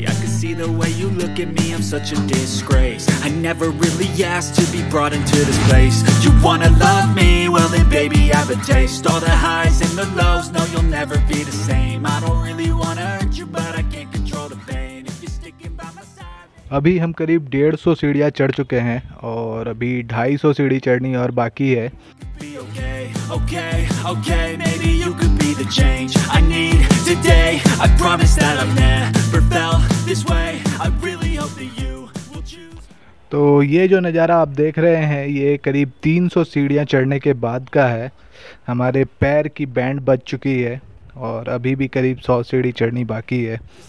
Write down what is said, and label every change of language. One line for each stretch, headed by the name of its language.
English: I can see the way you look at me, I'm such a disgrace. I never really asked to be brought into this place. You wanna love me, well then baby have a taste. All the highs and the lows, no you'll never be the same. I don't really wanna hurt you but I can't control the pain. If you're sticking by my side.
Hindi: अभी हम करीब 150 सीढ़ियाँ चढ़ चुके हैं, और अभी 250 सीढ़ी चढ़नी और बाकी है।
English: Okay, okay, maybe you could be the change I need today. I promise that I've never felt this way. I really hope that you will choose.
Hindi: तो ये जो नज़ारा आप देख रहे हैं ये करीब 300 सीढ़ियां चढ़ने के बाद का है. हमारे पैर की बैंड बच चुकी है और अभी भी करीब 100 सीढ़ी चढ़नी बाकी है.